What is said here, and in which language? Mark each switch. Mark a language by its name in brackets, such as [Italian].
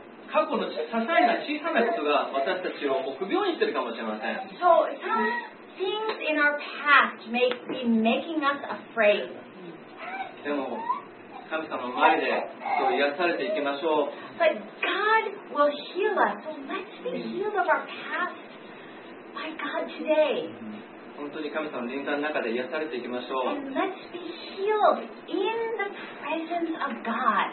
[Japanese] 過去の些細な小さなことが私たちを臆病にしてるかもしれません。 [English] So some things in our past may be making us afraid. [Japanese] でも神様の前で癒されていきましょう。 [English] But God will heal us, so let's be healed of our past by God today. [Japanese] 本当に神様の臨在の中で癒されていきましょう。 [English] And let's be healed in the presence of God.